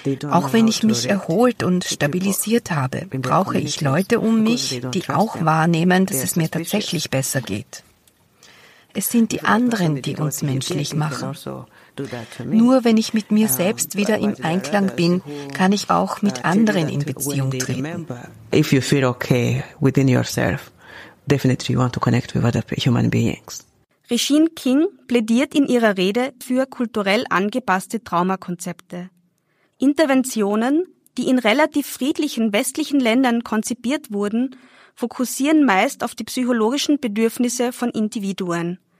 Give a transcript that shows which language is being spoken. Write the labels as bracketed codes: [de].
[de] Auch wenn ich mich erholt und stabilisiert habe, brauche ich Leute um mich, die auch wahrnehmen, dass es mir tatsächlich besser geht. Es sind die anderen, die uns menschlich machen. Nur wenn ich mit mir selbst wieder im Einklang bin, kann ich auch mit anderen in Beziehung treten. [en] If you feel okay within yourself, definitely you want to connect with other human beings. [de] Regine King plädiert in ihrer Rede für kulturell angepasste Traumakonzepte. Interventionen, die in relativ friedlichen westlichen Ländern konzipiert wurden, fokussieren meist auf die psychologischen Bedürfnisse von Individuen.